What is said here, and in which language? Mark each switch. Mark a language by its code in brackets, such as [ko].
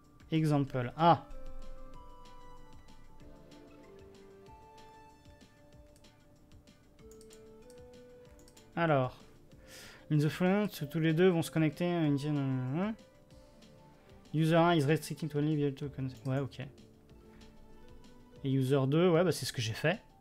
[en] Example. Ah! [fr] Alors, [en] in the following, [fr] tous les deux vont se connecter à une... [en] User 1 is restricting to only via token. [fr] Ouais, ok. Et user 2, ouais, bah c'est ce que j'ai fait.